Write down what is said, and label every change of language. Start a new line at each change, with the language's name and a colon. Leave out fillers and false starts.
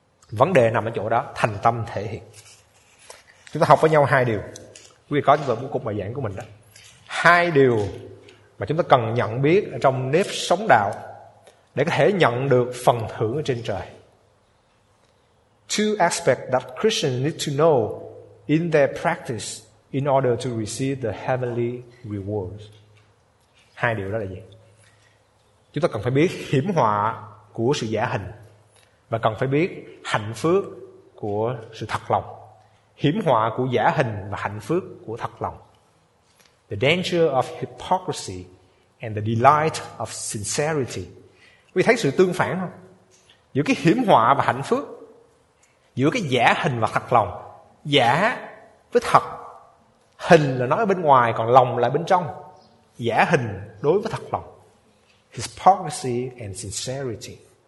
Vietnamese: Vấn đề nằm ở chỗ đó, thành tâm thể hiện. Chúng ta học với nhau hai điều. Quý vị có chúng ta muốn cục bài giảng của mình đó. Hai điều mà chúng ta cần nhận biết trong nếp sống đạo để có thể nhận được phần thưởng ở trên trời.
English: Two aspects that Christians need to know in their practice in order to receive the heavenly rewards.
Vietnamese: Hai điều đó là gì? Chúng ta cần phải biết hiểm họa của sự giả hình, và cần phải biết hạnh phước của sự thật lòng. Hiểm họa của giả hình và hạnh phước của thật lòng.
English: The danger of hypocrisy and the delight of sincerity.
Vietnamese: Quý vị thấy sự tương phản không? Giữa cái hiểm họa và hạnh phước, giữa cái giả hình và thật lòng. Giả với thật. Hình là nói ở bên ngoài, còn lòng là bên trong. Giả hình đối với thật lòng.
English: Hypocrisy and sincerity.